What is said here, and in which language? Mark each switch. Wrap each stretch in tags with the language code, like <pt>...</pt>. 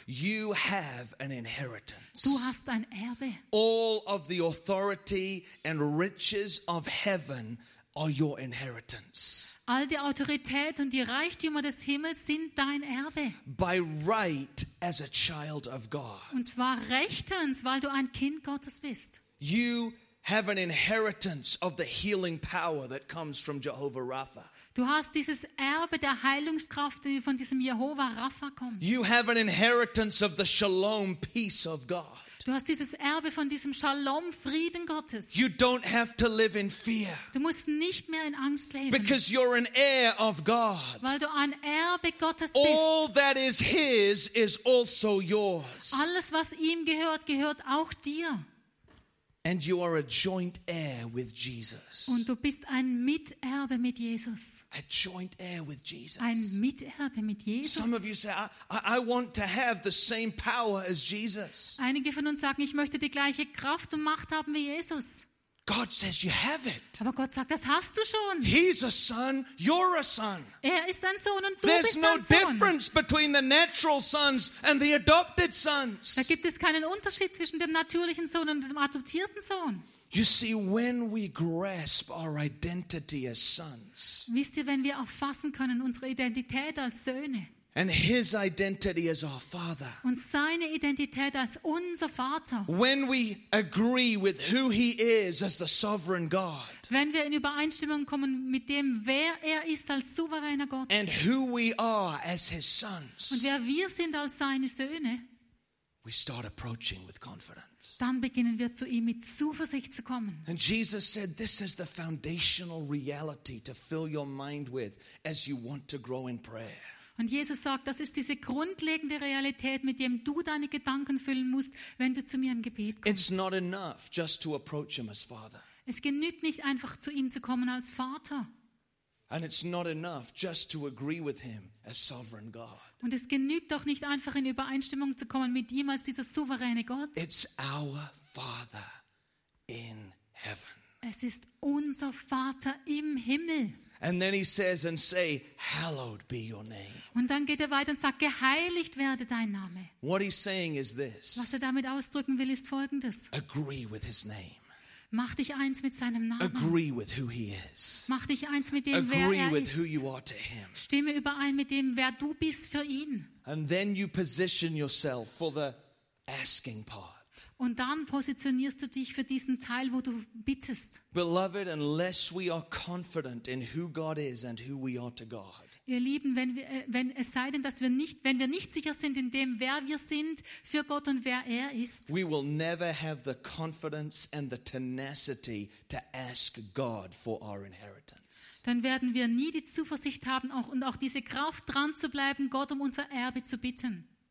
<en>You have an inheritance.</en> <de>Du hast ein Erbe.</de> <en>All of the authority and riches of heaven are your inheritance.</en> <de>All die Autorität und die Reichtümer des Himmels sind dein Erbe.</de> <en>By right as a child of God.</en> <de>Und zwar rechtens, weil du ein Kind Gottes bist.</de> <en>You have an inheritance of the healing power that comes from Jehovah Rapha.</en> <de>Du hast dieses Erbe der Heilungskraft, die von diesem Jehova Rapha kommt.</de> <en>You have an inheritance of the Shalom peace of God.</en> <de>Du hast dieses Erbe von diesem Shalom, Frieden Gottes.</de> <en>You don't have to live in fear.</en> <de>Du musst nicht mehr in Angst leben.</de> <en>Because you're an heir of God.</en> <de>Weil du ein Erbe Gottes bist.</de> <en>All that is his is also yours.</en> <de>Alles, was ihm gehört, gehört auch dir.</de> <en>And you are a joint heir with Jesus.</en> <de>Und du bist ein Miterbe mit Jesus.</de> <en>A joint heir with Jesus.</en> <de>Ein Miterbe mit Jesus.</de> <en>Some of you say, I want to have the same power as Jesus.</en> <de>Einige von uns sagen, ich möchte die gleiche Kraft und Macht haben wie Jesus.</de> <en>God says you have it.</en> <de>Aber Gott sagt, das hast du schon.</de> <en>He's a son, you're a son.</en> <de>Er ist ein Sohn und du</de> <en>There's</en> <de>bist</de> <en>no</en> <de>ein Sohn.</de> <en>There's no difference between the natural sons and the adopted sons.</en> <de>Da gibt es keinen Unterschied zwischen dem natürlichen Sohn und dem adoptierten Sohn.</de> <en>You see, when we grasp our identity as sons.</en> <de>Wisst ihr, wenn wir erfassen können unsere Identität als Söhne.</de> <en>And his identity as our father.</en> <de>Und seine Identität als unser Vater.</de> <en>When we agree with who he is as the sovereign God.</en> <de>Wenn wir in Übereinstimmung kommen mit dem, wer er ist als souveräner Gott.</de> <en>And who we are as his sons.</en> <de>Und wer wir sind als seine Söhne.</de> <en>We start approaching with confidence.</en> <de>Dann beginnen wir zu ihm mit Zuversicht zu kommen.</de> <en>And Jesus said, "This is the foundational reality to fill your mind with as you want to grow in prayer."</en> <de>Und Jesus sagt, das ist diese grundlegende Realität, mit der du deine Gedanken füllen musst, wenn du zu mir im Gebet kommst.</de> <en>It's not enough just to approach him as Father.</en> <de>Es genügt nicht einfach zu ihm zu kommen als Vater.</de> <en>And it's not enough just to agree with him as sovereign God.</en> <de>Und es genügt doch nicht einfach in Übereinstimmung zu kommen mit ihm als dieser souveräne Gott.</de> <en>It's our Father in heaven.</en> <de>Es ist unser Vater im Himmel.</de> <en>And then he says, and say, hallowed be your name.</en> <de>Und dann geht er weiter und sagt, geheiligt werde dein Name.</de> <en>What he's saying is this.</en> <de>Was er damit ausdrücken will, ist Folgendes.</de> <en>Agree with his name.</en> <de>Mach dich eins mit seinem Namen.</de> <en>Agree with who he is.</en> <de>Mach dich eins mit dem,</de> <en>agree</en> <de>wer er ist.</de> <en>Agree with who you are to him.</en> <de>Stimme überein mit dem, wer du bist für ihn.</de> <en>And then you position yourself for the asking part.</en> <de>Und dann positionierst du dich für diesen Teil, wo du bittest.</de> <en>Beloved, unless we are confident in who God is and who we are to God.</en> <de>Ihr Lieben, wenn wir nicht sicher sind in dem, wer wir sind für Gott und wer er ist,</de> <en>we will never have the confidence and the tenacity to ask God for our inheritance.</en> <de>Dann werden wir nie die Zuversicht haben und auch diese Kraft dran zu bleiben, Gott um unser Erbe zu bitten.</de>